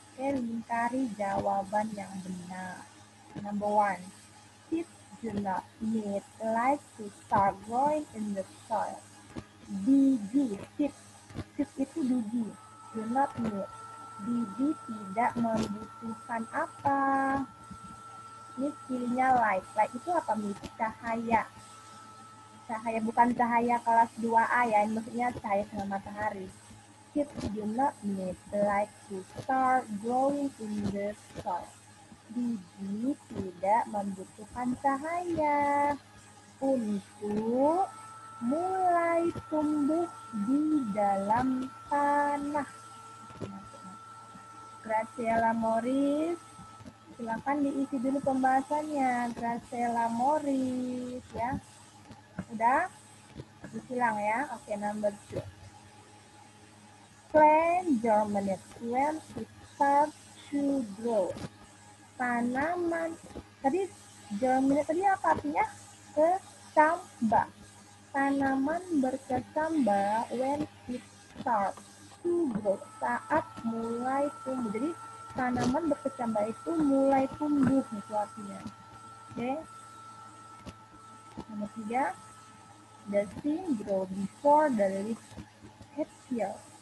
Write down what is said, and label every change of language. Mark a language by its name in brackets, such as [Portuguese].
[Indonesian] Oke, lingkari jawaban yang benar. [English] Number 1, seed do not need light to start growing in the soil. [Indonesian] Biji, seed itu biji, [English] do not need. [Indonesian] Biji tidak membutuhkan apa? Ini skillnya light. Light itu apa? Cahaya. Cahaya, bukan cahaya kelas 2A ya. Maksudnya cahaya sama matahari. [English] Seed do not need light to start growing in the soil. [Indonesian] Biji tidak membutuhkan cahaya untuk mulai tumbuh di dalam tanah. Graciela Morris, silakan diisi dulu pembahasannya. Graciela Morris, ya. Udah? Disilang ya. Oke, [English] number 2. Plant germinate when it starts to grow. [Indonesian] Tanaman. Tadi germinate tadi apa artinya? Kecambah. Tanaman berkecambah [English] when it starts to grow, [Indonesian] saat mulai tumbuh. Jadi tanaman berkecambah itu mulai tumbuh, itu artinya. Oke. [English] Nomor 3, does he grow before the leaf heal?